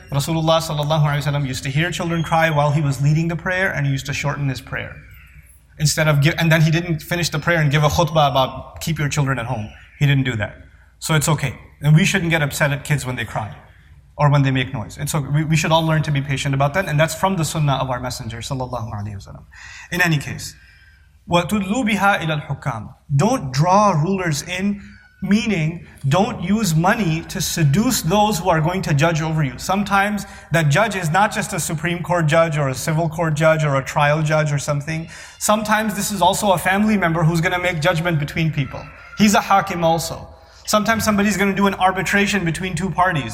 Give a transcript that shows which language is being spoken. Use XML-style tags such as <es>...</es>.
<en>Rasulullah sallallahu alaihi wasallam used to hear children cry while he was leading the prayer, and he used to shorten his prayer. And then he didn't finish the prayer and give a khutbah about keep your children at home. He didn't do that. So it's okay. And we shouldn't get upset at kids when they cry or when they make noise. It's okay. We should all learn to be patient about that. And that's from the sunnah of our messenger sallallahu alaihi wasallam. In any case,</en> <ar>وَتُدْلُوا بِهَا إِلَى الْحُكَّامِ.</ar> <en>Don't draw rulers in. Meaning, don't use money to seduce those who are going to judge over you. Sometimes that judge is not just a Supreme Court judge or a civil court judge or a trial judge or something. Sometimes this is also a family member who's going to make judgment between people. He's a hakim also. Sometimes somebody's going to do an arbitration between two parties.</en>